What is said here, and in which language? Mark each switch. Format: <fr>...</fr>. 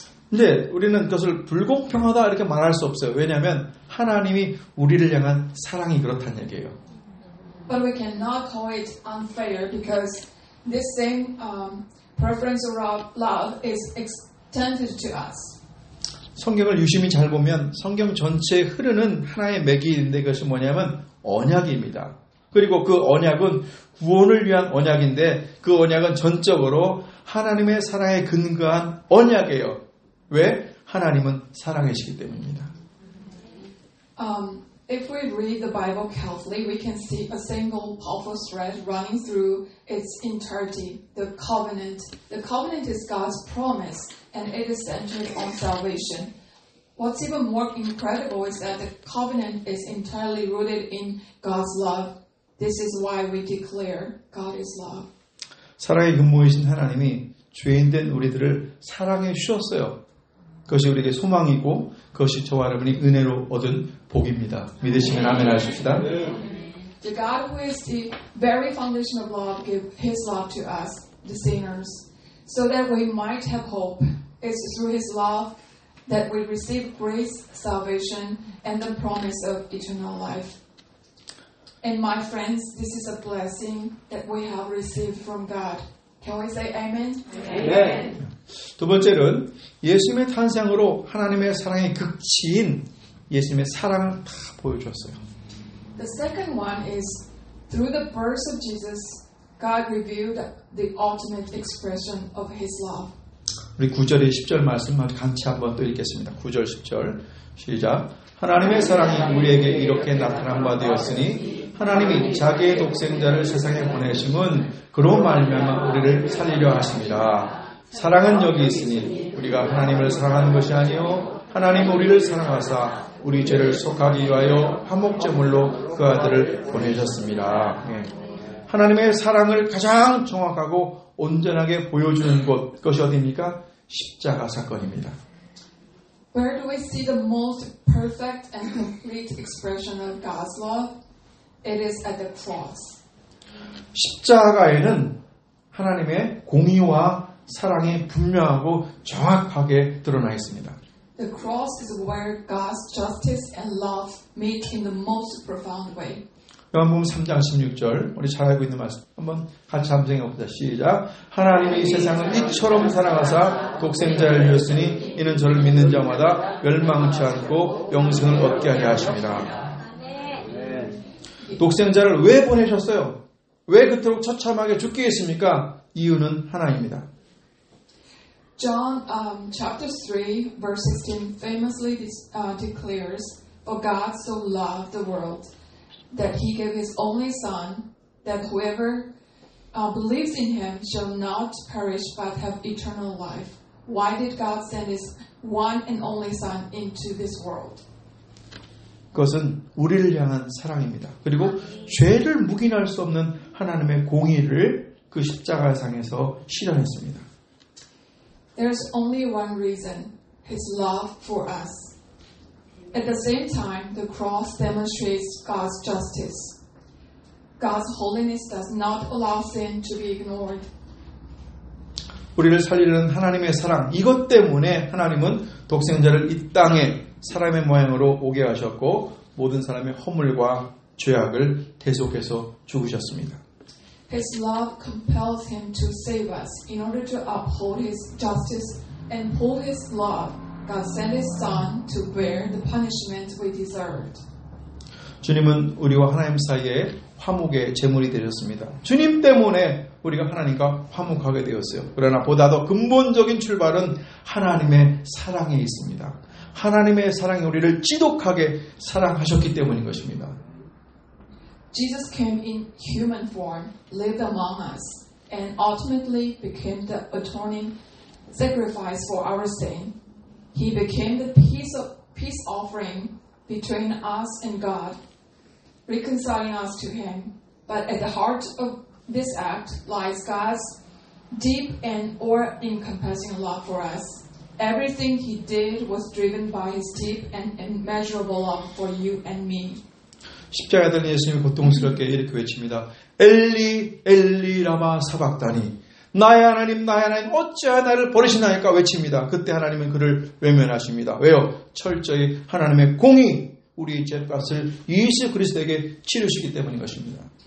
<ko>근데 우리는 그것을 불공평하다 이렇게 말할 수 없어요. 왜냐하면 하나님이 우리를 향한 사랑이 그렇다는 얘기예요.</ko> <en>But we cannot call it unfair because this same preference or love is extended to us.</en> <ko>성경을 유심히 잘 보면 성경 전체에 흐르는 하나의 맥이 있는데 그것이 뭐냐면 언약입니다. 그리고 그 언약은 구원을 위한 언약인데 그 언약은 전적으로 하나님의 사랑에 근거한 언약이에요. 왜? 하나님은 사랑이시기 때문입니다.</ko> <en>If we read the Bible carefully, we can see a single powerful thread running through its entirety, the covenant. The covenant is God's promise, and it is centered on salvation. What's even more incredible is that the covenant is entirely rooted in God's love. This is why we declare God is love.</en> <ko>사랑의 근본이신 하나님이 죄인 된 우리들을 사랑해 주셨어요. 그것이 우리에게 소망이고 그것이 저와 여러분이 은혜로 얻은 복입니다. 믿으시면 아멘 하십시다.</ko> <en>The God who is the very foundation of love gave His love to us, the sinners, so that we might have hope. It's through His love that we receive grace, salvation, and the promise of eternal life. And my friends, this is a blessing that we have received from God. Can we say amen? Amen.</en> <ko>두 번째는 예수님의 탄생으로 하나님의 사랑의 극치인 예수님의 사랑을 다 보여주었어요.</ko> <en>The second one is through the birth of Jesus, God revealed the ultimate expression of His love.</en> <ko>우리 9절에 10절 말씀을 같이 한번 또 읽겠습니다. 9절 10절 시작. 하나님의 사랑이 우리에게 이렇게 나타난 바 되었으니 하나님이 자기의 독생자를 세상에 보내심은 그로 말미암아 우리를 살리려 하십니다. 사랑은 여기 있으니 우리가 하나님을 사랑하는 것이 아니요 하나님 우리를 사랑하사 우리 죄를 속하기 위하여 화목제물로 그 아들을 보내셨습니다. 네. 하나님의 사랑을 가장 정확하고 온전하게 보여주는 곳 그것이 어디입니까? 십자가 사건입니다.</ko> <en>Where do we see the most perfect and complete expression of God's love? It is at the cross.</en> <ko>십자가에는 하나님의 공의와 사랑이 분명하고 정확하게 드러나 있습니다.</ko> <en>The cross is where God's justice and love meet in the most profound way.</en> <ko>요한복음 3장 16절 우리 잘 알고 있는 말씀 한번 같이 한번 생각해봅시다. 시작. 하나님이 세상을 이처럼 사랑하사 독생자를 주셨으니 이는 저를 믿는 자마다 멸망치 않고 영생을 얻게 하려 하십니다. 독생자를 왜 보내셨어요? 왜 그토록 처참하게 죽게 했습니까? 이유는 하나입니다.</ko> <en>John chapter 3 verse 16 famously declares, "For God so loved the world that he gave his only son that whoever believes in him shall not perish but have eternal life." Why did God send his one and only son into this world?</en> <ko>그것은 우리를 향한 사랑입니다. 그리고 죄를 묵인할 수 없는 하나님의 공의를 그 십자가상에서 실현했습니다.</ko> <en>There's only one reason, His love for us. At the same time, the cross demonstrates God's justice. God's holiness does not allow sin to be ignored.</en> <ko>우리를 살리려는 하나님의 사랑, 이것 때문에 하나님은 독생자를 이 땅에 사람의 모양으로 오게 하셨고 모든 사람의 허물과 죄악을 대속해서 죽으셨습니다.</ko> <en>His love compels him to save us. In order to uphold his justice and uphold his love, God sent his son to bear the punishment we deserved.</en> <ko>주님은 우리와 하나님 사이에 화목의 제물이 되셨습니다. 주님 때문에 우리가 하나님과 화목하게 되었어요. 그러나 보다 더 근본적인 출발은 하나님의 사랑에 있습니다. 하나님의 사랑이 우리를 지독하게 사랑하셨기 때문인 것입니다.</ko> <en>Jesus came in human form, lived among us, and ultimately became the atoning sacrifice for our sin. He became the peace offering between us and God, reconciling us to Him. But at the heart of this act lies God's deep and all-encompassing love for us. Everything He did was driven by His deep and immeasurable love for you and me.</en> <ko>십자가에 달린 예수님이 고통스럽게 이렇게 외칩니다.</ko> <arc>엘리 엘리 라마 사박다니,</arc> <ko>나의 하나님 나의 하나님 어찌하여 나를 버리시나이까 외칩니다. 그때 하나님은 그를 외면하십니다. 왜요? 철저히 하나님의 공의 우리의 죄값을 예수 그리스도에게 치르시기 때문인 것입니다.</ko>